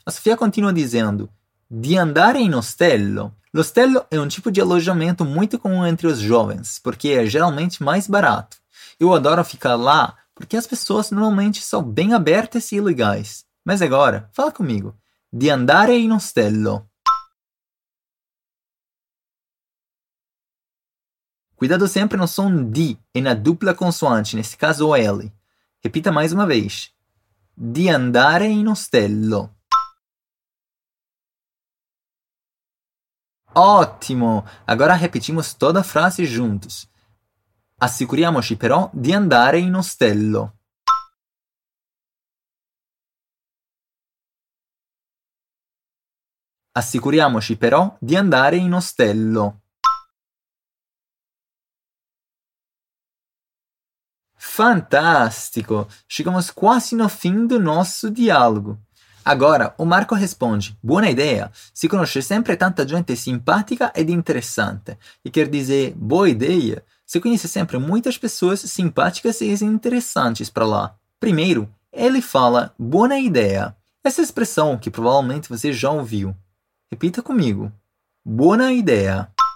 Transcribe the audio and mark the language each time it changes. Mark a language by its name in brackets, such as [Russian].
[Portuguese] A Sofia continua dizendo: [Italian] di andare in ostello. [Portuguese] L'ostello é um tipo de alojamento muito comum entre os jovens, porque é geralmente mais barato. Eu adoro ficar lá, porque as pessoas normalmente são bem abertas e legais. Mas agora, fala comigo. [Italian] Di andare in ostello. [Portuguese] Cuidado sempre no som di e na dupla consoante, nesse caso o L. Repita mais uma vez. [Italian] Di andare in ostello. [Portuguese] Ótimo! Agora repetimos toda a frase juntos. [Italian] Assicuriamoci però di andare in ostello. Assicuriamoci però di andare in ostello. [Portuguese] Fantástico! Chegamos quase no fim do nosso diálogo. Agora, o Marco responde: [Italian] buona ideia! Si conosce sempre tanta gente simpática ed interessante. [Portuguese] E quer dizer, boa ideia! Se conhece sempre muitas pessoas simpáticas e interessantes para lá. Primeiro, ele fala: [Italian] buona ideia! [Portuguese] Essa expressão que provavelmente você já ouviu. Repita comigo: [Italian] buona ideia!